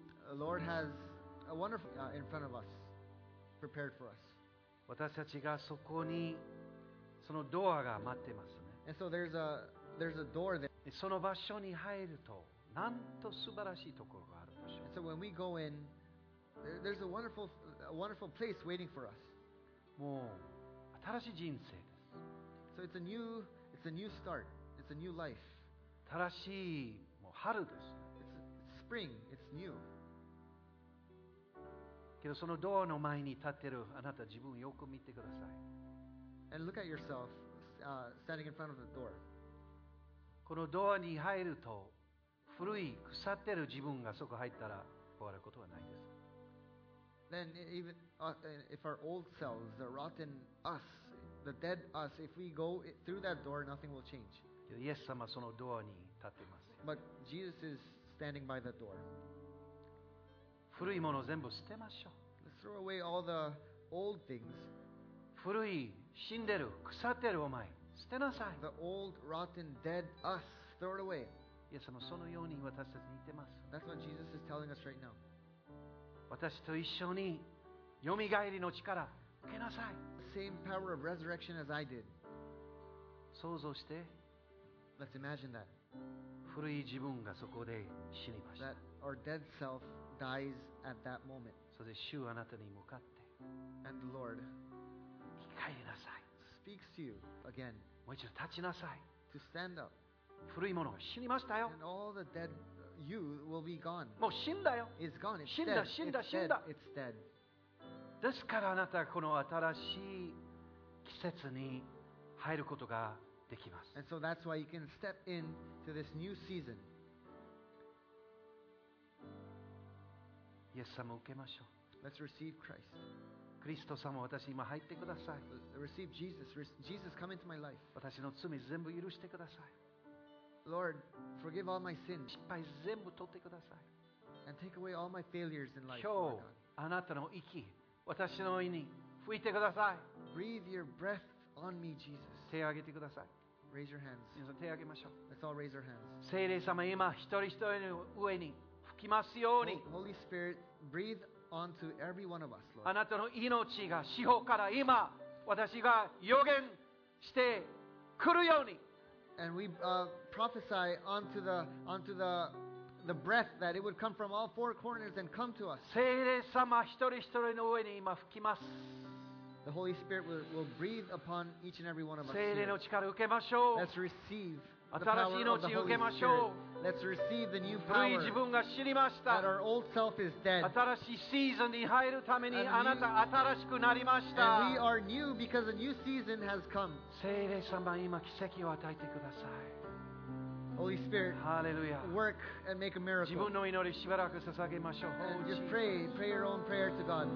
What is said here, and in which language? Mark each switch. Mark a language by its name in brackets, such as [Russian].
[English] The Lord has a wonderful in front of us, prepared for us. [Japanese] 私たちがそこにそのドアが待ってますね。 [English] And so there's a door there. [Japanese] その場所に入ると、なんと素晴らしいところがある場所。 [English] And so when we go in, there's a wonderful place waiting for us. [Japanese] もう新しい人生です。 [English] So it's a new start. It's a new life. [Japanese] 新しいもう春です。 [English] It's spring. It's new. [Japanese] けどそのドアの前に立ってるあなた自分よく見てください。 [English] And look at yourself, standing in front of the door. [Japanese] このドアに入ると、古い腐ってる自分がそこ入ったら壊れることはないです。 [English] Then even if our old selves, the rotten us, the dead us, if we go through that door, nothing will change. [Japanese] イエス様そのドアに立っています。 [English] But Jesus is standing by the door. [Japanese] 古いもの全部捨てましょう。 [English] Let's throw away all the old things. [Japanese] 古い死んでる腐ってるお前捨てなさい。 [English] The old rotten dead us, throw it away. [Japanese] イエス様そのように私たちに言ってます。 [English] That's what Jesus is telling us right now. [Japanese] 私と一緒に蘇りの力を受けなさい。 [English] Same power of resurrection as I did. [Japanese] 想像して。 [English] Let's imagine that. [Japanese] 古い自分がそこで死にました。 [English] That our dead self dies at that moment. [Japanese] それで主あなたに向かって。 [English] And the Lord. [Japanese] 生き返りなさい。 [English] Speaks to you again. [Japanese] もう一度立ちなさい。 [English] To stand up. [Japanese] 古いものが死にましたよ。 [English] And all the dead. You will be gone. [Japanese] もう死んだよ。 [English] It's gone. It's [Japanese] 死んだ、死んだ、死んだ。 [English] It's dead. [Japanese] ですからあなたはこの新しい季節に入ることができます。 [English] And so that's why you can step into this new season. [Japanese] イエス様を受けましょう。 [English] Let's receive Christ. [Japanese] クリスト様、私今入ってください。 [English] Receive Jesus. Jesus, come into my life. [Japanese] 私の罪全部許してください。 [English] Lord, forgive all my sins. [Japanese] 失敗全部取ってください。 [English] And take away all my failures in life. [Japanese] 今日、あなたの息、私の胃に吹いてください。 [English] Breathe your breath on me, Jesus. [Japanese] 手を挙げてください。 [English] Raise your hands. [Japanese] 皆さん手を挙げましょう。 [English] Let's all raise our hands. [Japanese] 聖霊様、今一人一人の上に吹きますように。 [English] Holy Spirit, breathe onto every one of us, Lord. [Japanese] あなたの命が四方から今私が予言してくるように。 [English] And we prophesy onto the breath that it would come from all four corners and come to us. [Japanese] 聖霊様一人一人の上に今吹きます。 [English] The Holy Spirit will breathe upon each and every one of us. [Japanese] 聖霊の力を受けましょう。 [English] Let's receive the power of the Holy Spirit. [Japanese] 受けましょう。 [English] Let's receive the new power. [Japanese] 古い自分が死にました。 [English] That our old self is dead. [Japanese] 新しいシーズンに入るためにあなた新しくなりました。 [English] And we are new because a new season has come. [Japanese] 聖霊様、今奇跡を与えてください。 [English] Holy Spirit, Hallelujah. Work and make a miracle. [Japanese] 自分の祈りしばらく捧げましょう。 [English] And just pray your own prayer to God.